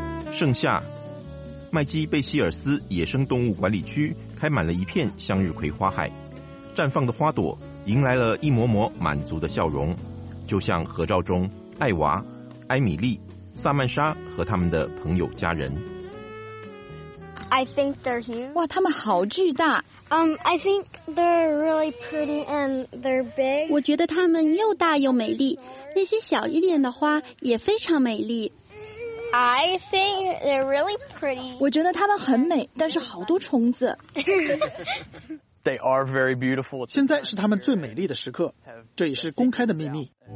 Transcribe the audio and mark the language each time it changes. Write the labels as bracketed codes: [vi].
[zh] 盛夏，麦基贝希尔斯野生动物管理区开满了一片向日葵花海，绽放的花朵迎来了一抹抹满足的笑容，就像合照中艾娃、埃米丽、萨曼莎和他们的朋友家人。 [en] I think they're huge. [zh] 哇，他们好巨大。 [en] I think they're really pretty and they're big. [zh] 我觉得他们又大又美丽，那些小一点的花也非常美丽。 [en] I think they're really pretty. [zh] 我觉得它们很美，但是好多虫子。 [en] They are very beautiful. [zh] 现在是它们最美丽的时刻，这也是公开的秘密。